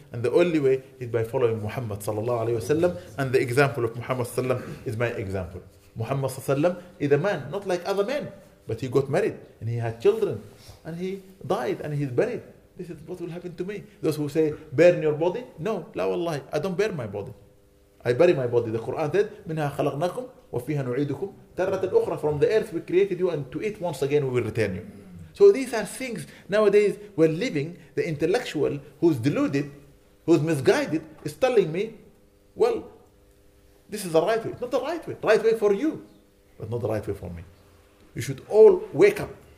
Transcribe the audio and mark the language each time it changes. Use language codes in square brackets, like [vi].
[en] And the only way is by following Muhammad sallallahu alaihi wasallam. And the example of Muhammad sallallahu alaihi wasallam is my example. Muhammad sallallahu alaihi wasallam is a man, not like other men, but he got married and he had children and he died and he's buried. This is what will happen to me. Those who say, burn your body? No, la wallahi, I don't burn my body. I bury my body. The Quran said, [ar] منها خلقناكم وفيها نعيدكم ترة أخرى. [en] From the earth we created you, and to it once again we will return you. So these are things nowadays we're living. The intellectual who's deluded, who's misguided, is telling me, well, this is the right way. Not the right way. Right way for you, but not the right way for me. You should all wake up.